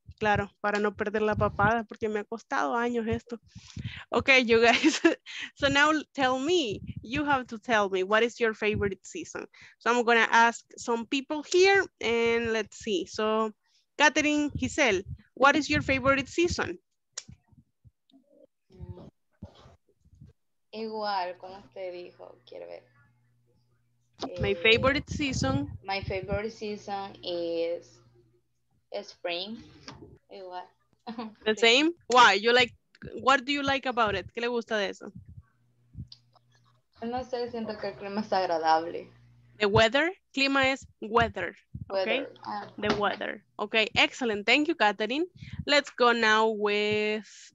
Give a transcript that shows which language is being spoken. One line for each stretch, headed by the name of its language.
Spanish: Claro, para no perder la papada, porque me ha costado años esto.
English: Okay, you guys. So now tell me, you have to tell me, what is your favorite season? So I'm going to ask some people here, and let's see. So... Catherine, Giselle, what is your favorite season?
Spanish: Igual, como usted dijo, quiero ver.
English: My favorite season. My favorite season is spring.
Spanish: Igual.
English: The same? Why? You like, what do you like about it?
Spanish: ¿Qué le gusta de eso? No sé, siento que el clima es agradable.
English: The weather,
Spanish: clima es
English: weather, okay? Weather. The weather, okay, excellent. Thank you, Catherine. Let's go now with...